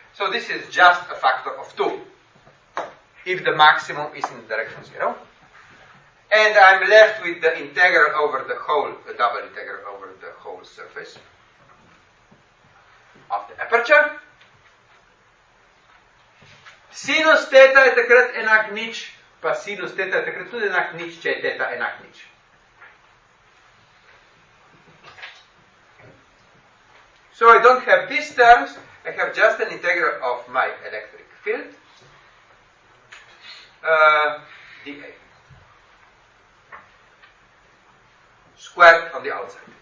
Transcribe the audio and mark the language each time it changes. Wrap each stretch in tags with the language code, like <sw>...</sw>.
<en>So this is just a factor of 2, if the maximum is in the direction 0. And I'm left with the integral over the whole, the double integral over the whole surface of the aperture.</en> <sl>Sinus teta je takrat enak nič, pa sinus teta je takrat tudi enak nič, če je teta enak nič.</sl> <en>So I don't have these terms, I have just an integral of my electric field, dA. Squared on the outside.</en>